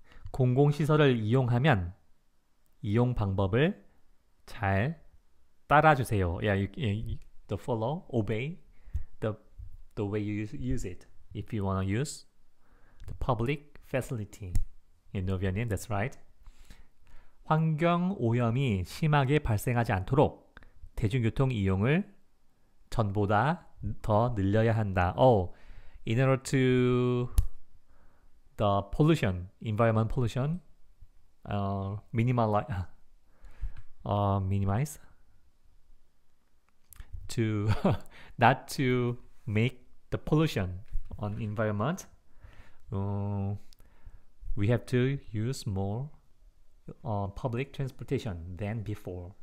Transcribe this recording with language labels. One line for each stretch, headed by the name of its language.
Korean: 공공시설을 이용하면 이용 방법을 잘 따라주세요.
English: Yeah, the follow, obey the way you use it. If you want to use the public facility in Novian, that's right.
Korean: 환경 오염이 심하게 발생하지 않도록 대중교통 이용을 전보다 더 늘려야 한다.
English: Oh, in order to the pollution, environment pollution, minimize, to not to make the pollution on environment, we have to use more public transportation than before.